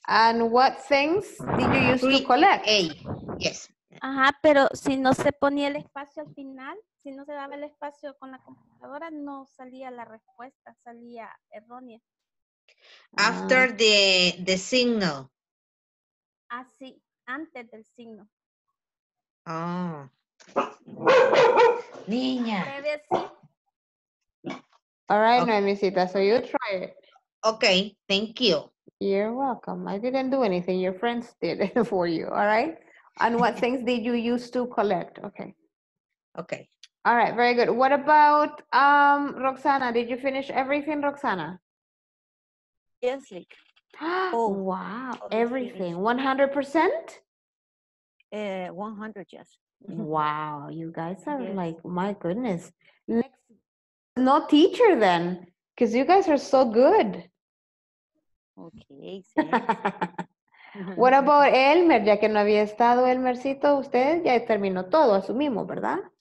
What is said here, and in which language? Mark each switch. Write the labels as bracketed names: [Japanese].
[English] And what things did you use to collect? A. Yes. [Spanish] Ajá, pero si no se ponía el espacio al final, si no se daba el espacio con la computadora, no salía la respuesta, salía errónea. [English] After the signal. [Spanish] Ah, sí, antes del signo. Oh. Niña. [English] All right, okay. Noemisita, so you try it. Okay, thank you. You're welcome. I didn't do anything. Your friends did it for you, all right? And what things did you use to collect? Okay. Okay. All right, very good. What about Roxana? Did you finish everything, Roxana? Yes, Lick. Oh, wow. Everything. 100%? 100, yes. Wow. You guys are like, my goodness. Next, no teacher then, because you guys are so good. Okay. What about Elmer? [Spanish] Ya que no había estado Elmercito, usted ya terminó todo, asumimos, ¿verdad?